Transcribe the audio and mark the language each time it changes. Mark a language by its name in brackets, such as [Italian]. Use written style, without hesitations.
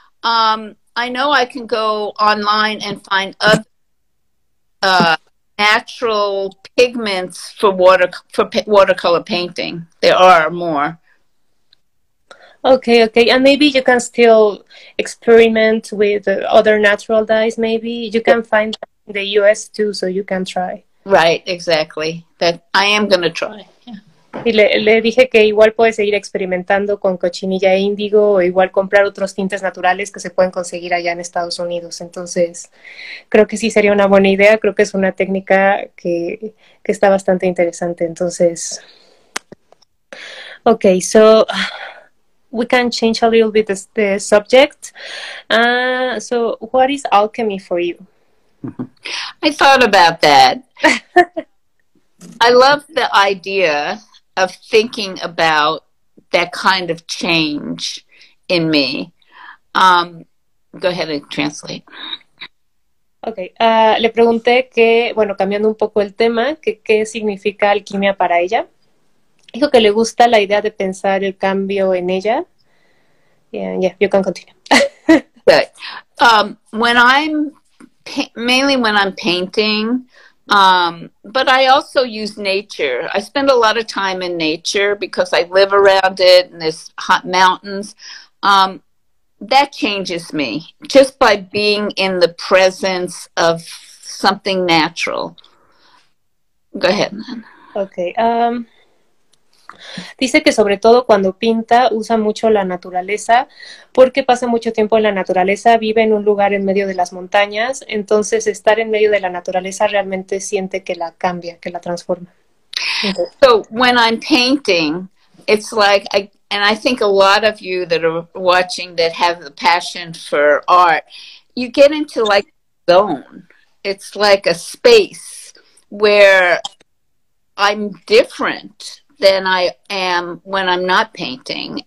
[English] I know I can go online and find other natural pigments for watercolor painting. There are more. Okay. And maybe you can still experiment with other natural dyes. Maybe you can find them in the U.S. too, so you can try. Right, exactly. That I am going to try. [Spanish] Y le dije que igual puede seguir experimentando con cochinilla e índigo, o igual comprar otros tintes naturales que se pueden conseguir allá en Estados Unidos. Entonces, creo que sí sería una buena idea. Creo que es una técnica que está bastante interesante. [English] Entonces, okay, so we can change a little bit the subject. So, what is alchemy for you? I thought about that. I love the idea of thinking about that kind of change in me. Go ahead and translate. [Spanish] Okay, le pregunté que, bueno, cambiando un poco el tema, que qué significa alquimia para ella. Dijo que le gusta la idea de pensar el cambio en ella. [English] Yeah, you can continue. Good. When I'm, mainly when I'm painting, but I also use nature. I spend a lot of time in nature because I live around it and there's hot mountains. That changes me just by being in the presence of something natural. Go ahead, then. Okay. [Spanish] Dice que sobre todo cuando pinta usa mucho la naturaleza porque pasa mucho tiempo en la naturaleza, vive en un lugar en medio de las montañas, entonces estar en medio de la naturaleza realmente siente que la cambia, que la transforma. [English] Okay. So when I'm painting, it's like, I think a lot of you that are watching that have the passion for art, you get into like zone. it's like a space where I'm different than I am when I'm not painting.